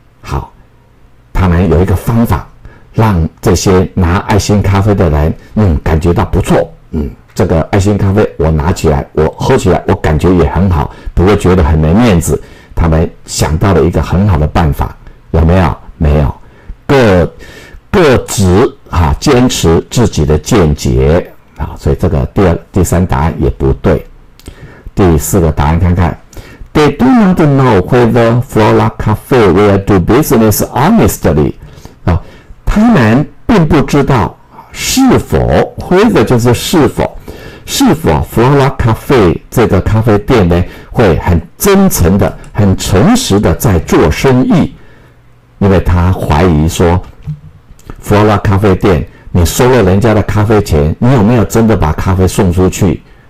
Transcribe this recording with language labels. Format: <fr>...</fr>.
<zh>好，他们有一个方法，让这些拿爱心咖啡的人，感觉到不错，这个爱心咖啡我拿起来，我喝起来，我感觉也很好，不会觉得很没面子。他们想到了一个很好的办法，有没有？没有，各自坚持自己的见解啊，所以这个第三答案也不对。第四个答案看看</zh> <en>，They do not know whether Flora Cafe will do business honestly。</en> <zh>他们并不知道是否 ，whether 就是是否 Flora Cafe 这个咖啡店呢会很真诚的、很诚实的在做生意，因为他怀疑说 ，Flora 咖啡店，你收了人家的咖啡钱，你有没有真的把咖啡送出去？</zh>